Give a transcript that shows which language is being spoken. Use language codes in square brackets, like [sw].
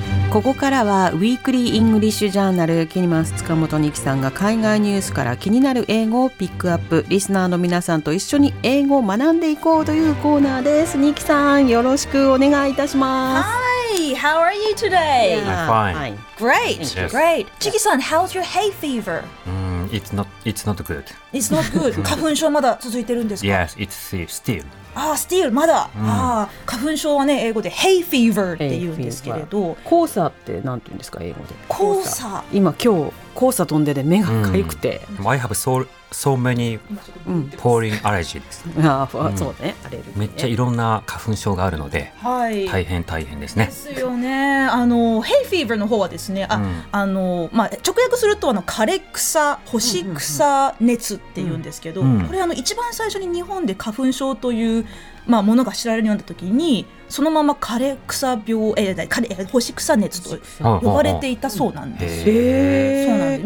[ja] ここからはウィークリーイングリッシュジャーナル、キニマンス塚本二木さんが海外ニュースから気になる英語をピックアップ、リスナーの皆さんと一緒に英語を学んでいこうというコーナーです。二木さん、よろしくお願いいたします。 [en] Hi, how are you today? I'm fine. Great, great. チキさん、how's your hay fever? It's not good. It's not good. [ja] 花粉症まだ続いてるんですか? [en] Yes, it's still. Ah, still, まだ。 [ja] ああ、花粉症はね、英語で hay fever って言うんですけれど。黄砂って何て言うんですか、英語で。黄砂。今日、黄砂飛んでて目が痒くて。 [en] I have so many pollen allergies. [ja] ああ、そうね。めっちゃいろんな花粉症があるので、大変大変ですね。ですよね。あの、hay fever の方はですね、まあ、直訳すると、枯れ草、干し草熱っていうんですけど、これ一番最初に日本で花粉症という、まあ、ものが知られるようになった時に、そのまま枯れ草病、干し草熱と呼ばれていたそうなんです。